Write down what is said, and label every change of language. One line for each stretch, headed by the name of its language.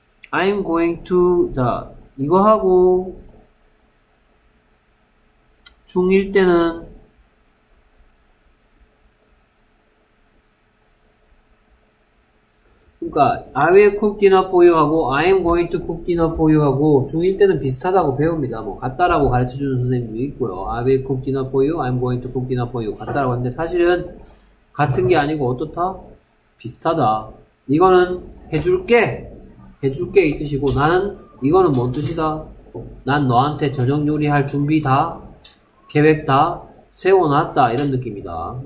English: I'm going to,
Korean: 자, 이거 하고, 중1 때는, 그니까,
English: I will cook dinner for you 하고, I'm going to cook dinner for you
Korean: 하고, 중1 때는 비슷하다고 배웁니다. 뭐, 같다라고 가르쳐주는 선생님도 있고요.
English: I will cook dinner for you, I'm going to cook dinner for you.
Korean: 같다라고 하는데, 사실은, 같은 게 아니고 어떻다? 비슷하다. 이거는 해줄게 이 뜻이고 나는 이거는 뭔 뜻이다? 난 너한테 저녁 요리할 준비 다 계획 다 세워놨다 이런 느낌이다.